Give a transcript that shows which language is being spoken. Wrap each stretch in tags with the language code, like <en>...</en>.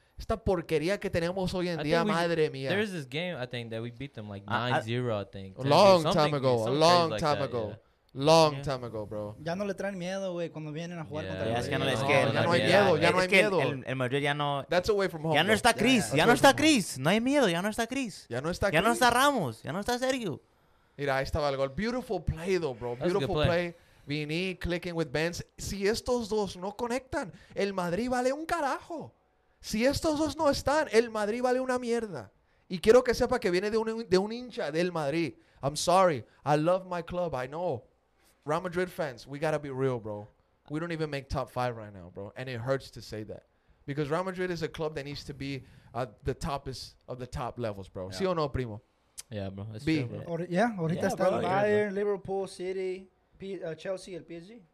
<es>Esta porquería que tenemos hoy en día, madre mía.</es> <en>There's this game, I think, that we beat them like 9-0, I think. A long time ago. Long time ago, bro.</en> <es>Ya no le traen miedo, güey, cuando vienen a jugar contra ellos. Ya no hay miedo. El Madrid ya no.</es> <en>That's away from home.</en> <es>Ya no está Chris. No hay miedo. Ya no está Chris. Ya no está Chris. Ya no está Ramos. Ya no está Sergio. Mira, ahí estaba el gol.</es> <en>Beautiful play, though, bro. Beautiful play. Vini clicking with Benz.</en> <es>Si estos dos no conectan, el Madrid vale un carajo. Si estos dos no están, el Madrid vale una mierda. Y quiero que sepa que viene de un hincha del Madrid.</es> <en>I'm sorry. I love my club. I know. Real Madrid fans, we got to be real, bro. We don't even make top five right now, bro. And it hurts to say that. Because Real Madrid is a club that needs to be the toppest of the top levels, bro. Yeah.</en> <es>¿Sí o no, Primo?</es> <en>Yeah, bro. B. Yeah, bro.</en> <es>Ahorita está bro. Bayern, Liverpool, City, Chelsea, el PSG.</es>